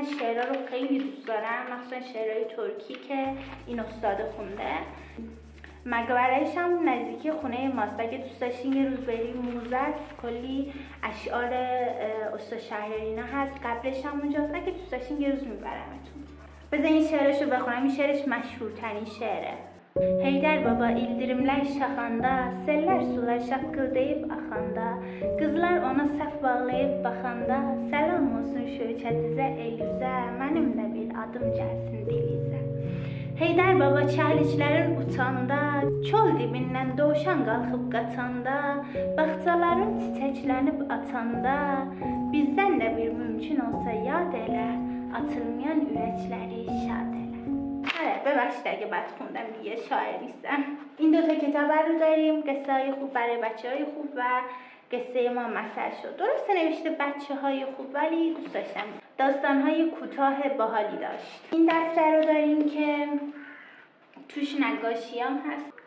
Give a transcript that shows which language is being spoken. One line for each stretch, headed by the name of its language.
Persian: من شعرها رو خیلی دوست دارم، مخصوصا شعرهای ترکی که این استاد خونده. مقبرهش هم نزدیکی خونه ماست، اگه دوست داشتین یه روز بریم موزه کلی اشعار استاد شهریارینا هست. قبلش هم اونجاست، اگه دوست داشتین یه روز میبرمتون. بذار این شعرشو بخونم، این شعرش مشهورترین شعره.
Azerbaijani: Heydər baba ildirimlər şaxanda, sellər sular şaqqıl deyib axanda, qızlar ona səhv bağlayıb baxanda, sələm olsun şövçətizə Elüzə, mənim də bir adım gəlsin dilizə. Heydər baba çəhliklərin uçanda, çöl dibindən doğuşan qalxıb qaçanda, baxçaların çiçəklənib açanda, bizdən də bir mümkün olsa yad elə, açılmayan ürəkləri şad elə.
Persian: ببخشید اگه بد خوندم، دیگه شاعر نیستم. این دوتا کتاب رو داریم، قصه های خوب برای بچه های خوب و قصه ما مثل شد. درسته نوشته بچه های خوب، ولی دوست داشتم داستان های کوتاه باحالی داشت. این دفتر رو داریم که توش نقاشی هم هست.